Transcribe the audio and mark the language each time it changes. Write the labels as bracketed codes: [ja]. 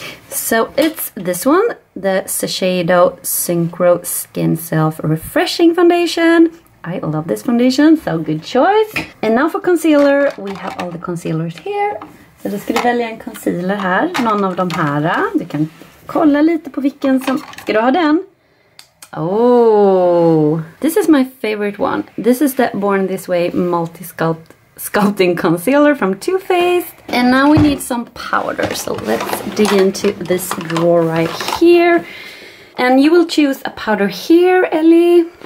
[en] So it's this one, the Shiseido Synchro Skin Self Refreshing Foundation. I love this foundation, so good choice. And now for concealer, we have all the concealers here. [sv] Så då ska du välja en concealer här, någon av de här. Du kan kolla lite på vilken som... Ska du ha den? [en] Oh, this is my favorite one. This is the Born This Way Multi Sculpting Concealer from Too Faced. And now we need some powder. So let's dig into this drawer right here. And you will choose a powder here, Elly.